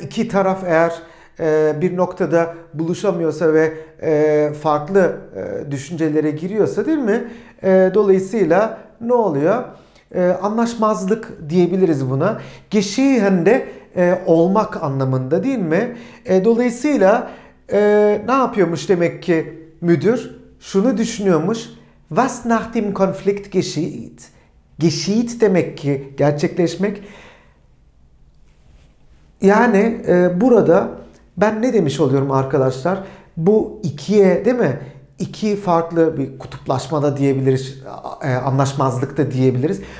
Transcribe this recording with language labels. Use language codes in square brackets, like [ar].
[tr] İki taraf eğer bir noktada buluşamıyorsa ve farklı düşüncelere giriyorsa, değil mi? Dolayısıyla ne oluyor? Anlaşmazlık diyebiliriz buna. Geschehen de olmak anlamında, değil mi? Dolayısıyla ne yapıyormuş demek ki müdür? Şunu düşünüyormuş. [de] Was nach dem Konflikt geschieht? [tr] Geschieht demek ki gerçekleşmek. Yani burada ben ne demiş oluyorum arkadaşlar? Bu ikiye, değil mi? İki farklı bir kutuplaşmada diyebiliriz, anlaşmazlıkta diyebiliriz.